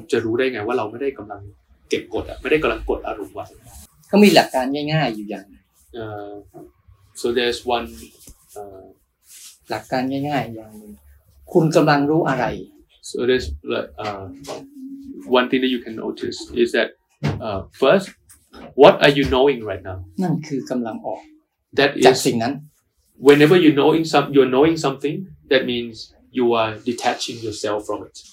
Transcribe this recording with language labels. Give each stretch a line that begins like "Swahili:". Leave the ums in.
Thai: จะรู้ได้ไงว่าเราไม่ได้กำลังก็บกดอ่ะไม่ได้กำลังกดอารมณ์ไว้ ก็มีหลักการง่ายๆอยู่อย่าง
English: เออ so there's one
Thai: หลักการง่ายๆอย่างนึงคุณกำลังรู้อะไร
English: so there's like uh, one thing that you can notice is that uh, first what are you knowing right now
Thai: นั่นคือกำลังออก
English: that
Thai: จากสิ่งนั้น
English: whenever you knowing some you're knowing something that means you are detaching yourself from it